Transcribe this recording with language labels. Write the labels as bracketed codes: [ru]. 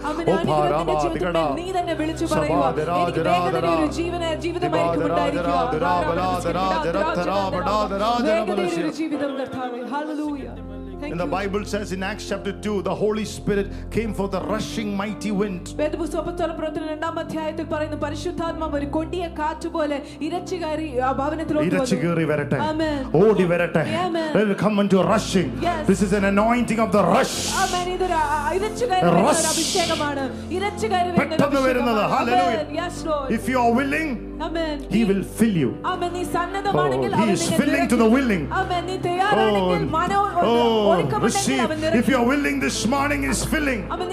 [en] Hallelujah. And the Bible says in Acts chapter 2, the Holy Spirit came for the rushing mighty wind. [ml] വേദപുസ്തകത്തിലെ പ്രവർത്തനം രണ്ടാം അധ്യായത്തിൽ പറയുന്നു, പരിശുദ്ധാത്മാവ് ഒരു കൊടിയ കാറ്റ് പോലെ ഇരച്ചുകയറി ഭവനത്തിലോട്ട് വന്നു. ഇരച്ചുകയറി വരട്ടെ, ഓടി വരട്ടെ. [en] Amen. Welcome unto a rushing. Yes. This is an anointing of the rush. Amen. [ml] ഇതൊരു ഇരച്ചുകയറി വരുന്ന അഭിഷേകമാണ്. ഇരച്ചുകയറി വരുന്ന അഭിഷേകമാണ്. Hallelujah. [en] Yes, Lord. If you are willing, Amen. He will fill you. [ml] Amen. നീ സന്നദ്ധമാണെങ്കിൽ അവൻ നിന്നെ [en] filling to the willing. [ml] Amen. നീ തയ്യാറാണെങ്കിൽ മനോ [en] Receive. If you are willing, this morning is filling.